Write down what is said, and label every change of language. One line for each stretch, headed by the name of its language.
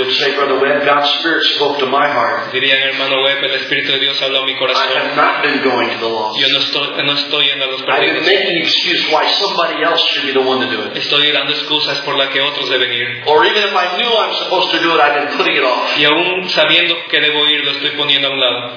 English: Would say, Brother Webb, God's Spirit spoke to my heart.
Spanish: Dirían, hermano Webb, el Espíritu de Dios habló a mi corazón.
English: I have not been going to the lost.
Spanish: Yo no estoy yendo a los perdidos.
English: I've been making excuses why somebody else should be the one to do it.
Spanish: Estoy dando excusas por la que otros deben ir.
English: Or even if I knew I'm supposed to do it, I've been putting it off.
Spanish: Y aún sabiendo que debo ir, lo estoy poniendo a un lado.